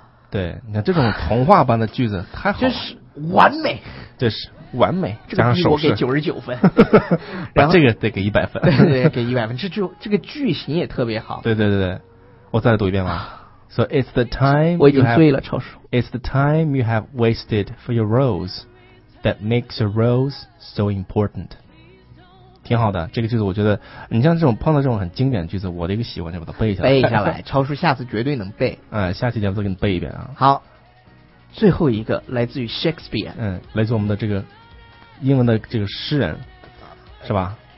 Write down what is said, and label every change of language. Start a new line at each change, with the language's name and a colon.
Chinese: 对，你看这种童话般的句子太好了，真是完美，这是完美，加上手势，这个、我给99分，然后这个得给100分，对对，给100分，这个句型也特别好，对对对对，我再读一遍吧。
English: So it's the time
Chinese: 我已经醉了，超叔。
English: It's the time you have wasted for your rose that makes your rose so important。
Chinese: 挺好的，这个句子我觉得，你像这种碰到这种很经典的句子，我的一个习惯就把它背下来。背下来，超叔下次绝对能背。嗯，下期节目再给你背一遍啊。好，最后一个来自于 Shakespeare。嗯，来自我们的这个英文的这个诗人，是吧？